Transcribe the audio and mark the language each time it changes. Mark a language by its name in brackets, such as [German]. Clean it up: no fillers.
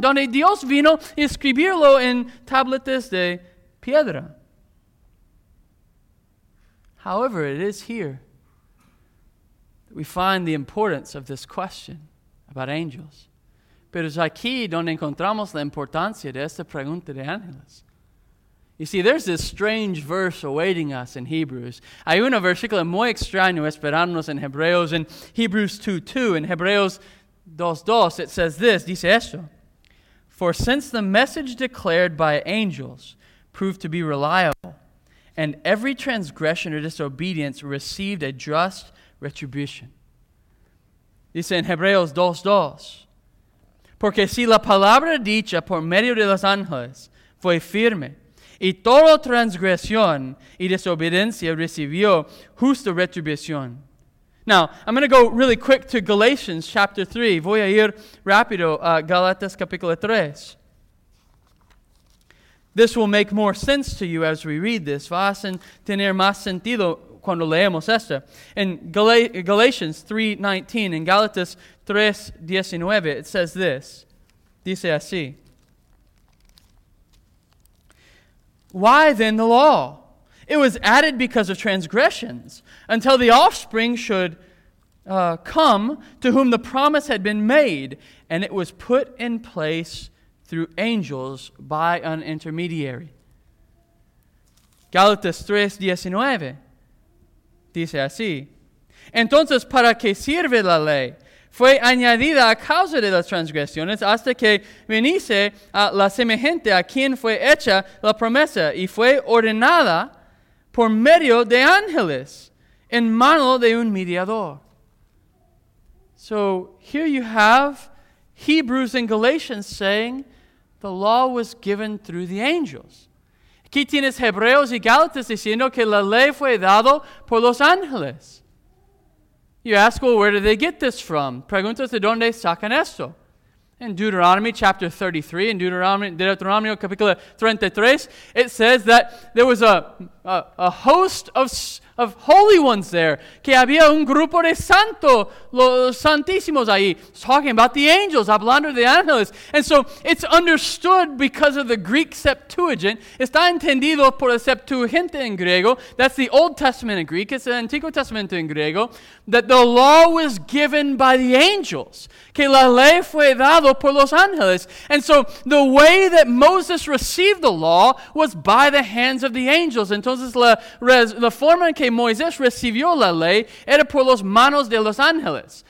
[Spanish] Donde Dios vino y escribirlo en tablets de piedra. [English] However, it is here that we find the importance of this question about angels. [Spanish] Pero es aquí donde encontramos la importancia de esta pregunta de ángeles. [English] You see, there's this strange verse awaiting us in Hebrews. [Spanish] Hay un versículo muy extraño esperándonos en Hebreos, en Hebrews 2:2. [English] In Hebreos 2:2, it says this, [Spanish] dice esto. [English] For since the message declared by angels proved to be reliable, and every transgression or disobedience received a just retribution. [Spanish] Dice en Hebreos 2:2. Porque si la palabra dicha por medio de los ángeles fue firme, y toda transgresión y desobediencia recibió justa retribución. [English] Now, I'm going to go really quick to Galatians chapter 3. [Spanish] Voy a ir rápido a Galatas capítulo 3. [English] This will make more sense to you as we read this. [Spanish] Va a tener más sentido cuando leemos esto. [English] In Galatians 3:19, in Galatas 3:19, it says this. [Spanish] Dice así. [English] Why then the law? It was added because of transgressions, until the offspring should come to whom the promise had been made, and it was put in place through angels by an intermediary. [Spanish] Galatas 3:19 dice así. Entonces, ¿para qué sirve la ley? Fue añadida a causa de las transgresiones hasta que viniese a la semejante a quien fue hecha la promesa y fue ordenada por medio de ángeles en mano de un mediador. [English] So here you have Hebrews and Galatians saying the law was given through the angels. [Spanish] Aquí tienes Hebreos y Gálatas diciendo que la ley fue dado por los ángeles. [English] You ask, well, where do they get this from? [Spanish] Preguntas de dónde sacan esto. [English] In Deuteronomy chapter 33, in Deuteronomy capítulo 33, it says that there was a host of holy ones there, [Spanish] que había un grupo de santos, los santísimos ahí, [English] talking about the angels, [Spanish] hablando de ángeles. [English] And so it's understood because of the Greek Septuagint, [Spanish] está entendido por el Septuaginta en griego, [English] that's the Old Testament in Greek, it's the Antiguo Testamento in griego, that the law was given by the angels, [Spanish] que la ley fue dado por los ángeles. [English] And so the way that Moses received the law was by the hands of the angels. [Spanish] Entonces la forma que Moisés recibió la ley era por las manos de los ángeles.